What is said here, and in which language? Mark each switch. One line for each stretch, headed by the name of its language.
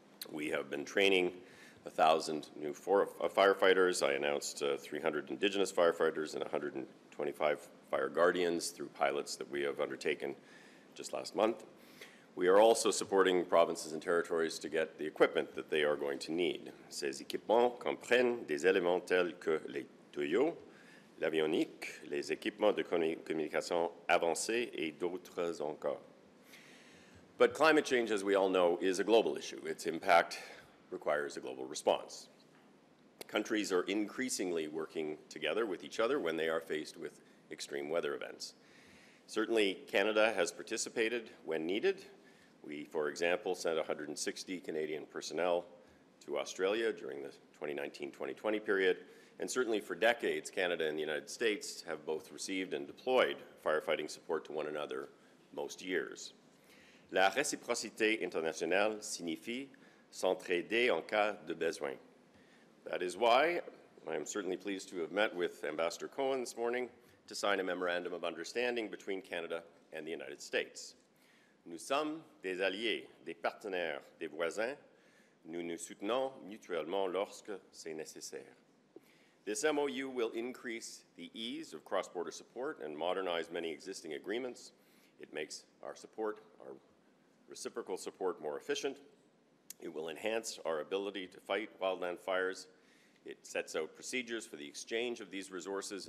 English: We have been training 1,000 new firefighters. I announced 300 Indigenous firefighters and 125 fire guardians through pilots that we have undertaken just last month. We are also supporting provinces and territories to get the equipment that they are going to need.
French: Ces équipements comprennent des éléments tels que les tuyaux, l'avionique, les équipements de communication avancée et d'autres encore.
English: But climate change, as we all know, is a global issue. Its impact requires a global response. Countries are increasingly working together with each other when they are faced with extreme weather events. Certainly, Canada has participated when needed. We, for example, sent 160 Canadian personnel to Australia during the 2019-2020 period. And certainly for decades, Canada and the United States have both received and deployed firefighting support to one another most years.
French: La réciprocité internationale signifie s'entraider en cas de besoin.
English: That is why I am certainly pleased to have met with Ambassador Cohen this morning to sign a memorandum of understanding between Canada and the United States.
French: Nous sommes des alliés, des partenaires, des voisins. Nous nous soutenons mutuellement lorsque c'est nécessaire.
English: This MOU will increase the ease of cross-border support and modernize many existing agreements. It makes our support, our reciprocal support, more efficient. It will enhance our ability to fight wildland fires. It sets out procedures for the exchange of these resources.